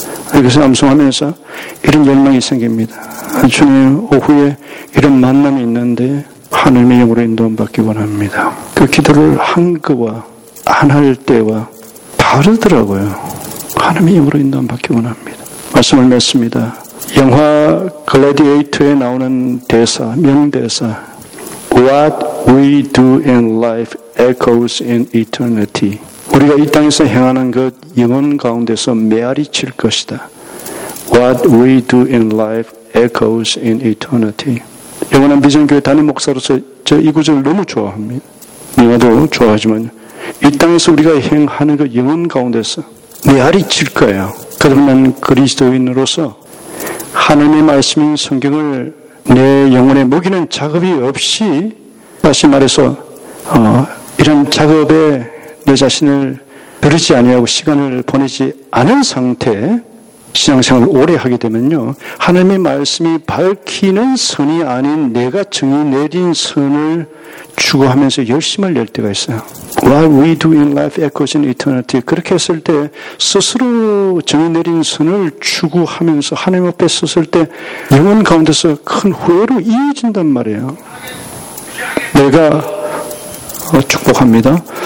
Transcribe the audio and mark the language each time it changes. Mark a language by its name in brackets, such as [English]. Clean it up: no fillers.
[Korean] 그래서 암송하면서 이런 열망이 생깁니다. 주님 오후에 이런 만남이 있는데 하나님의 영으로 인도함 받기 원합니다. 그 기도를 한 것과 안 할 때와 다르더라고요. 하나님의 영으로 인도함 받기 원합니다. 말씀을 맺습니다. 영화 글래디에이터에 나오는 대사, 명대사 [English] What we do in life echoes in eternity. [Korean] 우리가 이 땅에서 행하는 것 영혼 가운데서 메아리 칠 것이다. [English] What we do in life echoes in eternity. [Korean] 영원한 비전교회 담임 목사로서 저 이 구절을 너무 좋아합니다. 누나도 좋아하지만 이 땅에서 우리가 행하는 것 영혼 가운데서 메아리 칠 거예요. 그러면 그리스도인으로서 하나님의 말씀인 성경을 내 영혼에 먹이는 작업이 없이 다시 말해서 이런 작업에 내 자신을 버리지 아니하고 시간을 보내지 않은 상태에 신앙생활을 오래 하게 되면요 하나님의 말씀이 밝히는 선이 아닌 내가 정의 내린 선을 추구하면서 열심을 낼 때가 있어요. [English] What we do in life echoes in eternity. [Korean] 그렇게 했을 때 스스로 정의 내린 선을 추구하면서 하나님 앞에 섰을 때 영혼 가운데서 큰 후회로 이어진단 말이에요. 내가 축복합니다.